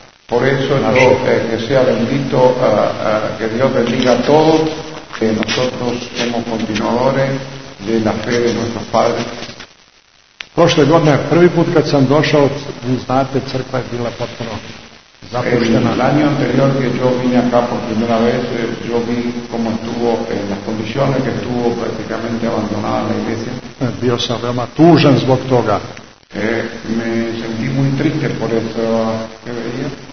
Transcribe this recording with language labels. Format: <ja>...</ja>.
<es>Por eso yo que sea bendito, que Dios bendiga a todos, que nosotros somos continuadores de la fe de nuestros padres.</es> <sr>Prošle godine, prvi put kad sam došao, vi znate, crkva je bila potpuno zapuštena.</sr> <es>El año anterior que yo vine acá por primera vez, yo vi como estuvo en las condiciones que estuvo prácticamente abandonada la iglesia.</es> <sr>Bio sam veoma tužan zbog toga.</sr> <es>Me sentí muy triste por eso que veía.</es>